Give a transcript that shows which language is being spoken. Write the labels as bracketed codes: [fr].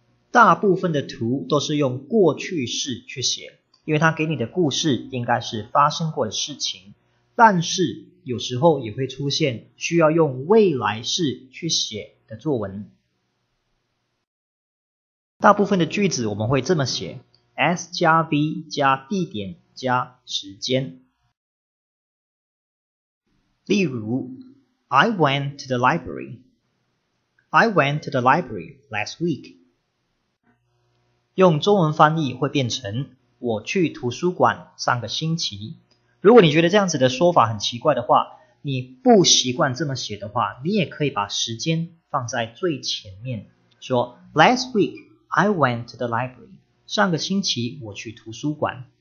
[zh] 大部分的图都是用过去式去写，因为它给你的故事应该是发生过的事情，但是有时候也会出现需要用未来式去写的作文。大部分的句子我们会这么写， S 加 V 加地点加时间。例如 [en] I went to the library. I went to the library last week. [zh] 用中文翻译会变成我去图书馆上个星期。如果你觉得这样子的说法很奇怪的话，你不习惯这么写的话，你也可以把时间放在最前面，说 [en] Last week I went to the library， [zh] 上个星期我去图书馆。